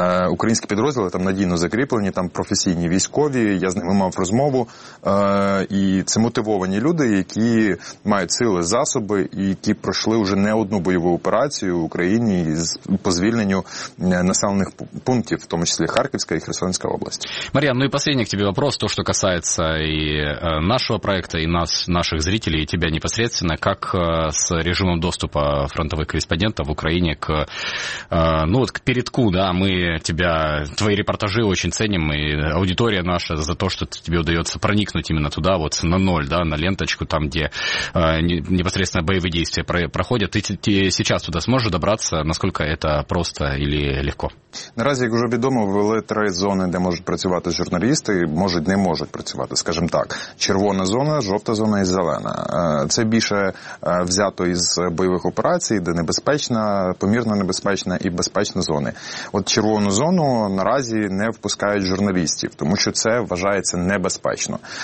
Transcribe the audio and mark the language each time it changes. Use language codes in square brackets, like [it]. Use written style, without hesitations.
[uk] Українські підрозділи там надійно закріплені, там професійні військові, я з ними мав розмову. І це мотивовані люди, які мають сили, засоби, і які пройшли вже не одну бойову операцію в Україні позвільнення [ru] населенных пунктов, в том числе Харьковская и Херсонская область. Марьян, ну и последний к тебе вопрос, то, что касается и нашего проекта, и нас, наших зрителей, и тебя непосредственно, как с режимом доступа фронтовых корреспондентов в Украине к, ну вот, к передку, да, мы тебя, твои репортажи очень ценим, и аудитория наша за то, что тебе удается проникнуть именно туда, вот на ноль, да, на ленточку, там, где непосредственно боевые действия проходят. Ты сейчас туда сможешь добраться, насколько это просто или легко? [uk] Наразі, як вже відомо, ввели три зони, де можуть працювати журналісти, можуть, не можуть працювати, скажімо так. Червона зона, жовта зона і зелена. Це більше взято із бойових операцій, де небезпечна, помірно небезпечна і безпечна зони. От червону зону наразі не впускають журналістів, тому що це вважається небезпечно.